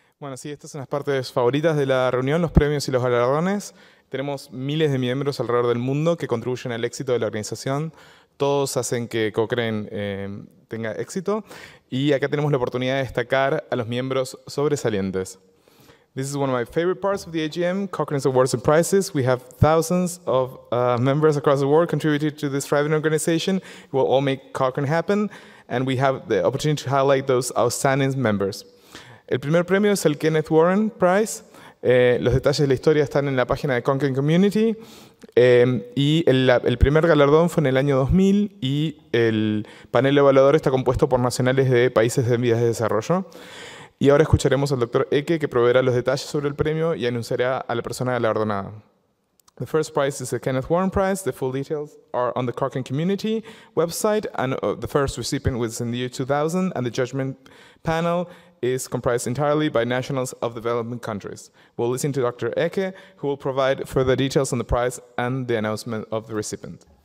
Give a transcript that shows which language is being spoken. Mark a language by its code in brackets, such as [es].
[es] Bueno, sí, estas son las partes favoritas de la reunión, los premios y los galardones. Tenemos miles de miembros alrededor del mundo que contribuyen al éxito de la organización. Todos hacen que Cochrane tenga éxito. Y acá tenemos la oportunidad de destacar a los miembros sobresalientes. [en] This is one of my favorite parts of the AGM, Cochrane's Awards and Prizes. We have thousands of members across the world contributing to this thriving organization. It will all make Cochrane happen. And we have the opportunity to highlight those outstanding members. [es] El primer premio es el Kenneth Warren Prize. Los detalles de la historia están en la página de Cochrane Community. Y el primer galardón fue en el año 2000 y el panel evaluador está compuesto por nacionales de países en vías de desarrollo. Y ahora escucharemos al Dr. Eke, que proveerá los detalles sobre el premio y anunciará a la persona galardonada. [en] The first prize is the Kenneth Warren Prize. The full details are on the Cochrane Community website, and the first recipient was in the year 2000, and the judgment panel is comprised entirely by nationals of developing countries. We'll listen to Dr. Eke, who will provide further details on the prize and the announcement of the recipient.